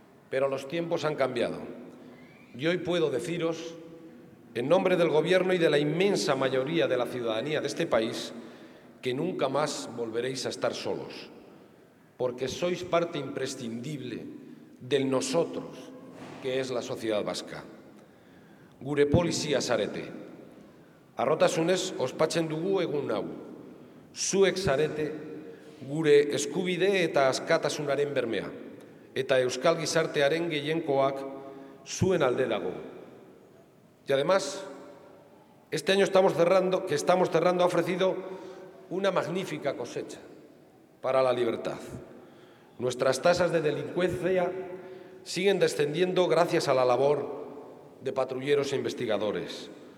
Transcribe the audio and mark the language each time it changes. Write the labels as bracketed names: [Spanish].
[Spanish] Pero los tiempos han cambiado y hoy puedo deciros, en nombre del Gobierno y de la inmensa mayoría de la ciudadanía de este país, que nunca más volveréis a estar solos, porque sois parte imprescindible del nosotros, que es la sociedad vasca. [Basque] Gure polizia zarete. Arrotasunez ospatzen dugu egun hau. Zuek zarete gure eskubide eta askatasunaren bermea. Eta euskal gizartearen gehienkoak zuen alde dago. [Spanish] Y además, este año que estamos cerrando ha ofrecido una magnífica cosecha para la libertad. Nuestras tasas de delincuencia siguen descendiendo gracias a la labor de patrulleros e investigadores.